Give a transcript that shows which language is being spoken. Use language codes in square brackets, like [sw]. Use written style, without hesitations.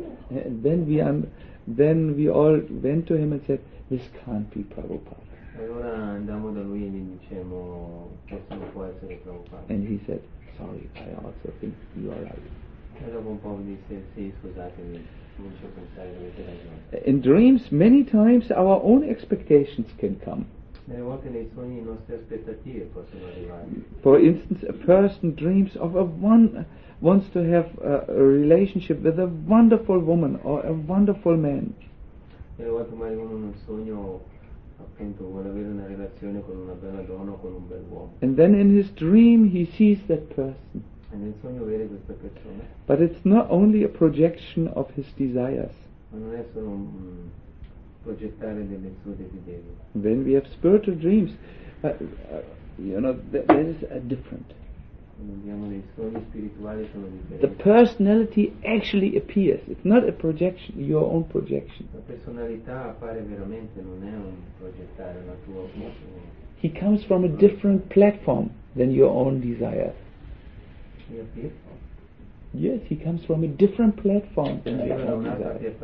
[en] And then we all went to him and said, "This can't be Prabhupada." [it] Allora andammo da lui e gli dicemmo, questo non può essere Prabhupada. [en] And he said, "Sorry, I also think you are right." [it] E dopo un po' disse, sì, scusatemi, comincio a pensare che avete ragione. [en] In dreams, many times our own expectations can come. [it] Nelle volte nei sogni le nostre aspettative possono arrivare. [en] For instance, a person dreams of wants to have a relationship with a wonderful woman or a wonderful man. [it] Nelle volte magari uno nel sogno, appunto, vuole avere una relazione con una bella donna o con un bel uomo. [en] And then in his dream he sees that person. [it] E nel sogno vede questa persona. [en] But it's not only a projection of his desires. [it] Ma non è solo progettare delle sue desideri. [en] When we have spiritual dreams, that is a different. The personality actually appears. It's not a projection, your own projection. [it] La personalità appare veramente, non è un progettare la tua. [en] He comes from a different platform than your own desire. Yes, he comes from a different platform than your own desire.